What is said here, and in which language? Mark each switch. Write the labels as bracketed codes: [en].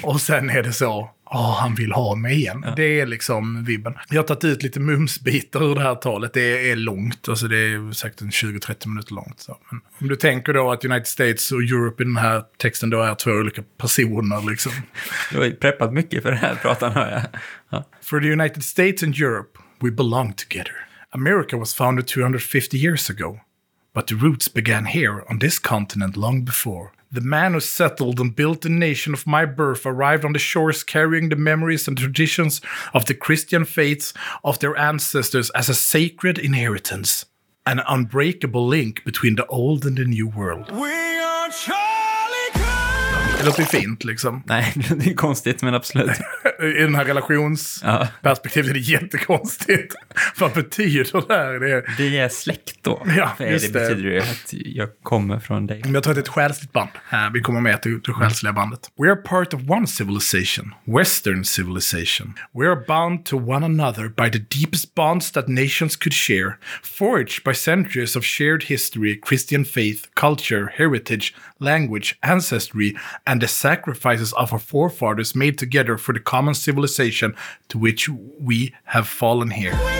[sv] Och sen är det så, åh, han vill ha mig igen. Ja. Det är liksom vibben. Jag har tagit ut lite mumsbitar ur det här talet. Det är långt, alltså det är säkert en 20-30 minuter långt. Så. Men om du tänker då att United States och Europe i den här texten då är två olika personer liksom. Du har ju preppat mycket för den här pratan, har jag. Ja. [en] For the United States and Europe, we belong together. America was founded 250 years ago, but the roots began here on this continent long before. The man who settled and built the nation of my birth arrived on the shores carrying the memories and traditions of the Christian faiths of their ancestors as a sacred inheritance, an unbreakable link between the old and the new world. We are Charlie Kirk! [sv] Det låter fint, liksom. Nej, det är konstigt, men absolut. I den här relationsperspektivet är det jättekonstigt. Vad betyder det här? Det är släkt då. Ja, det betyder ju att jag kommer från dig. Jag tror att det är ett själsligt band. Vi kommer med till det själsliga bandet. [en] We are part of one civilization, Western civilization. We are bound to one another by the deepest bonds that nations could share, forged by centuries of shared history, Christian faith, culture, heritage, language, ancestry, and the sacrifices of our forefathers made together for the common civilization to which we have fallen here.